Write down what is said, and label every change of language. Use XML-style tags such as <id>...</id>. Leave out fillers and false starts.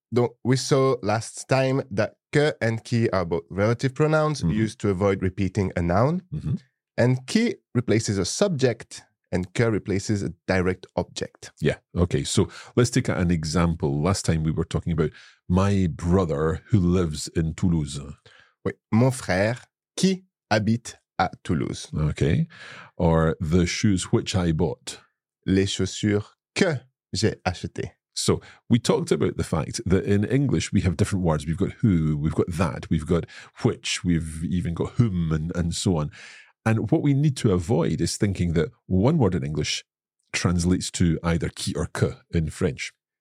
<en>Donc, we saw last time that que and qui are both relative pronouns mm-hmm. used to avoid repeating a noun. Mm-hmm. And qui replaces a subject and que replaces a direct object. Yeah. Okay. So let's take an example. Last time we were talking about my brother who lives in Toulouse.</en> <fr>Oui, mon frère qui habite à Toulouse.</fr> <en>Okay. Or the shoes which I bought.</en> <fr>Les chaussures que j'ai achetées.</fr> <en>So we talked about the fact that in English we have different words. We've got who, we've got that, we've got which, we've even got whom and so on. And what we need to avoid is thinking that one word in English translates to either qui or que in French.</en>